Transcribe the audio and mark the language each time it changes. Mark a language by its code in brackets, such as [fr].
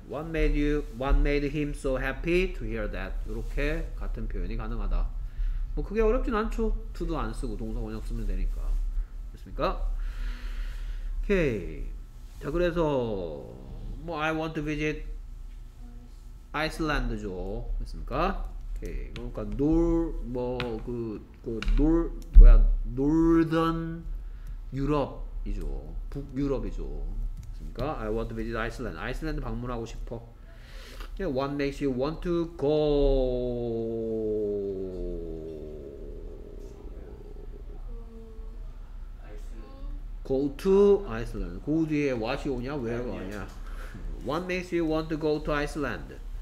[en] What made him so happy to hear that? [ko] 이렇게 같은 표현이 가능하다. 뭐 그게 어렵진 않죠. To도 안 쓰고 동사 원형 쓰면 되니까. 됐습니까? 오케이. 자, 그래서 뭐 [en] I want to visit Iceland [ko] 죠. 됐습니까? 오케이. 그러니까 놀뭐그그놀 뭐야? Northern 유럽이죠. 북유럽이죠. [en] I want to visit Iceland. [ko] 아이슬란드 방문하고 싶어. [en] What makes you want to go to Iceland? Go 뒤에 what이 오냐? Where 오냐? What makes you want to go to Iceland?